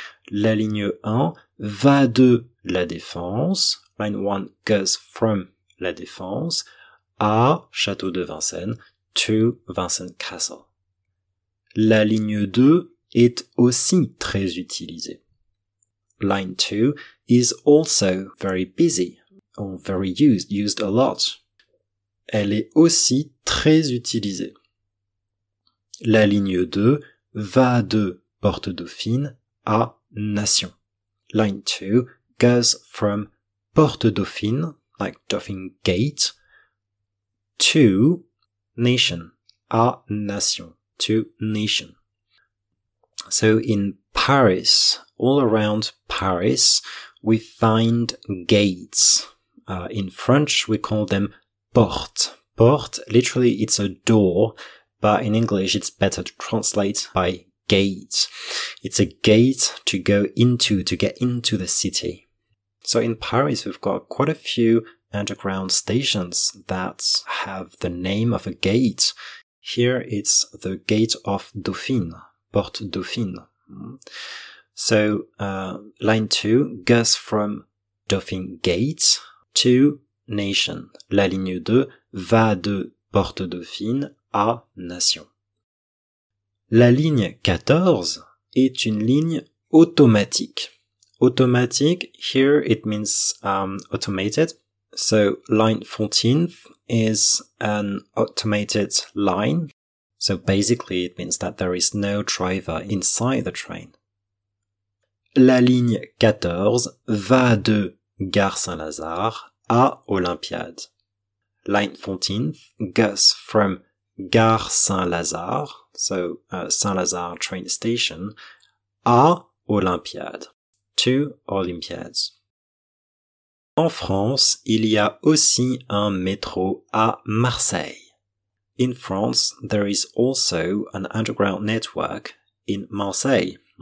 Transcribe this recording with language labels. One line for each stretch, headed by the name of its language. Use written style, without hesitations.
French: La ligne 1 va de La Défense,
English: line 1 goes from La Défense,
French: à Château de Vincennes,
English: to Vincennes Castle.
French: La ligne 2 est aussi très utilisée.
English: Line 2 is also very busy, or very used a lot.
French: Elle est aussi très utilisée. La ligne 2 va de Porte Dauphine à Nation.
English: Line 2 goes from Porte Dauphine, like Dauphin Gate, to Nation, à Nation, to Nation. So in Paris, all around Paris, we find gates. In French, we call them portes. Porte, literally, it's a door, but in English, it's better to translate by gate. It's a gate to go into, to get into the city. So in Paris, we've got quite a few underground stations that have the name of a gate. Here, it's the Gate of Dauphine, Porte Dauphine. So, line 2 goes from Dauphine Gate to Nation.
French: La ligne 2 va de Porte Dauphine à Nation. La ligne 14 est une ligne automatique.
English: Automatique, here it means automated. So, line 14th is an automated line. So, basically, it means that there is no driver inside the train.
French: La ligne 14 va de Gare Saint-Lazare à Olympiade.
English: Line 14th goes from Gare Saint-Lazare, so Saint-Lazare train station, à Olympiade, to Olympiades.
French: En France, il y a aussi un métro à Marseille.
English: In France, there is also an underground network in Marseille.